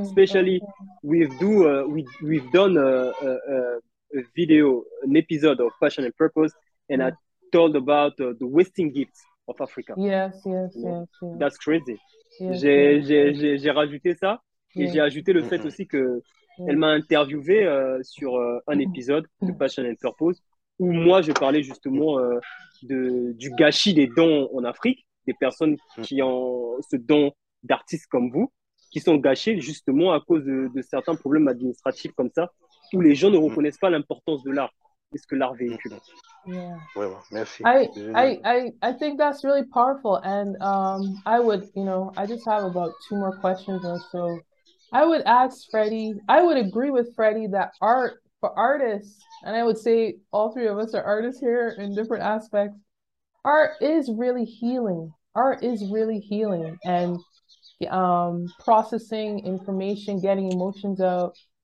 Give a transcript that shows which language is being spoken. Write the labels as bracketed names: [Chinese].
[English] Especially we've done a video, an episode of Passion and Purpose, and I told about the wasting gifts of Africa. Yes. That's crazy. [French] J'ai rajouté ça et j'ai ajouté le fait aussi que elle m'a interviewé sur un épisode de Passion and Purpose où moi je parlais justement du gâchis des dons en Afrique, des personnes qui ont ce don d'artiste comme vous, qui sont gâchés justement à cause de certains problèmes administratifs comme ça, où les gens ne reconnaissent pas l'importance de l'art et ce que l'art véhicule. [English] Yeah. [French] Ouais, merci. [English] I think that's really powerful, and I would, you know, I just have about two more questions, and so I would ask Freddy, I would agree with Freddy that art for artists, and I would say all three of us are artists here in different aspects, art is really healing and processing information, getting emotions out.